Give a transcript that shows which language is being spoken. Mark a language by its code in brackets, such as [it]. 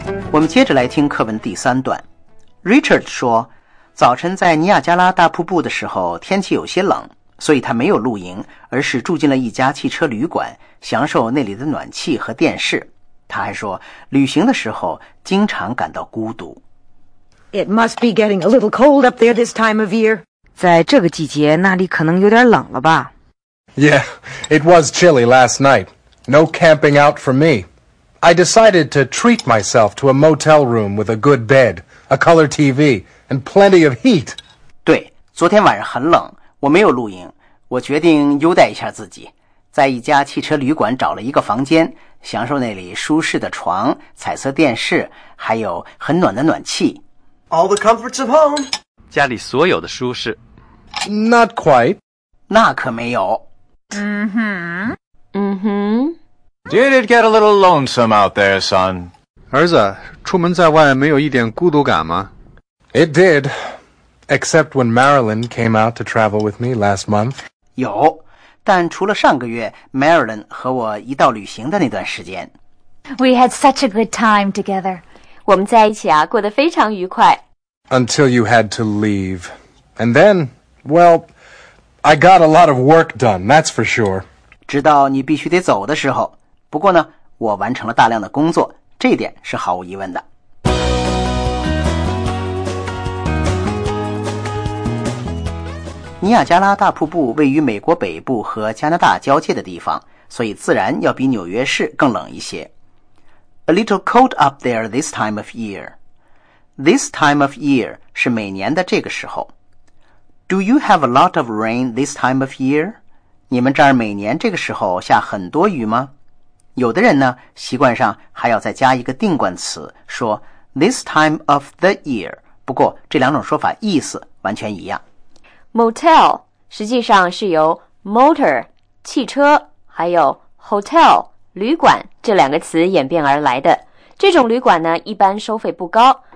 [zh] 我们接着来听课文第三段。Richard 说早晨在尼亚加拉大瀑布的时候天气有些冷所以他没有露营而是住进了一家汽车旅馆享受那里的暖气和电视。他还说，旅行的时候经常感到孤独。 [en] It must be getting a little cold up there this time of year. [zh] 在这个季节，那里可能有点冷了吧 [en] ？Yeah, it was chilly last night. No camping out for me. I decided to treat myself to a motel room with a good bed, a color TV, and plenty of heat. [zh] 对，昨天晚上很冷，我没有露营，我决定优待一下自己，在一家汽车旅馆找了一个房间。享受那里舒适的床、彩色电视，还有很暖的暖气。 [en] All the comforts of home. [zh] 家里所有的舒适。 [en] Not quite. [zh] 那可没有。嗯哼。 [en] Did it get a little lonesome out there, son? [zh] 儿子，出门在外没有一点孤独感吗 [en] ？It did. Except when Marilyn came out to travel with me last month. [zh] 有。但除了上个月 Marilyn 和我一道旅行的那段时间 [en] We had such a good time together [zh] 我们在一起啊过得非常愉快 [en] Until you had to leave And then, well, I got a lot of work done, that's for sure [zh] 直到你必须得走的时候不过呢我完成了大量的工作这一点是毫无疑问的尼亚加拉大瀑布位于美国北部和加拿大交界的地方，所以自然要比纽约市更冷一些。 [en] A little cold up there this time of year. This time of year [zh] 是每年的这个时候。 [en] Do you have a lot of rain this time of year? [zh] 你们这儿每年这个时候下很多雨吗？有的人呢，习惯上还要再加一个定冠词，说 [en] this time of the year。 [zh] 不过这两种说法意思完全一样。 Motel 实际上是由 motor 汽车还有 hotel 旅馆这两个词演变而来的。这种旅馆呢，一般收费不高，